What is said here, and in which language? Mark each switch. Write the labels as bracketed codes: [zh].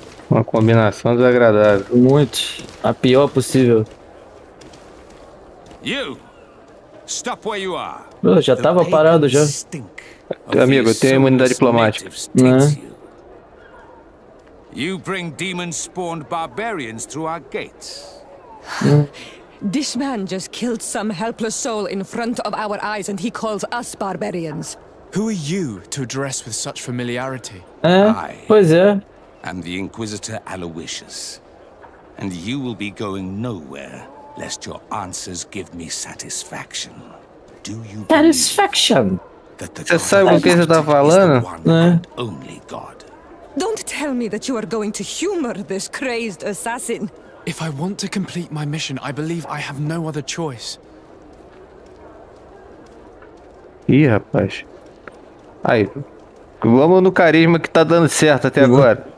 [pt] Uma combinação desagradável. Muito. A pior possível. [en] You! Stop where you are! [pt] Eu já tava parado já. Amigo, eu tenho imunidade diplomática. Né? [en] You bring demon spawned barbarians through our gates. This man just killed some helpless soul in front of our eyes, and he calls us barbarians. Who are you to address with such familiarity? I am the Inquisitor Aloysius, and you will be going nowhere lest your answers give me satisfaction. Do you satisfaction? That the God [pt] sabe o que você tá falando? [en] Is the one and only God. Don't tell me that you are going to humor this crazed assassin. If I want to complete my mission, I believe I have no other choice. [pt] Ih, rapaz. Aí, vamos no carisma que tá dando certo até agora.